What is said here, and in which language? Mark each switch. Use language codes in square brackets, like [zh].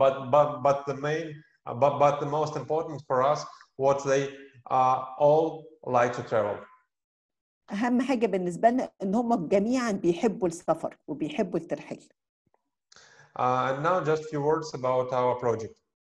[en] But the most important for us what they all like to travel. [ar] أهم حاجة بالنسبة لنا إن هم جميعا بيحبوا السفر وبيحبوا الترحيل. [en] And now just a few words about our project.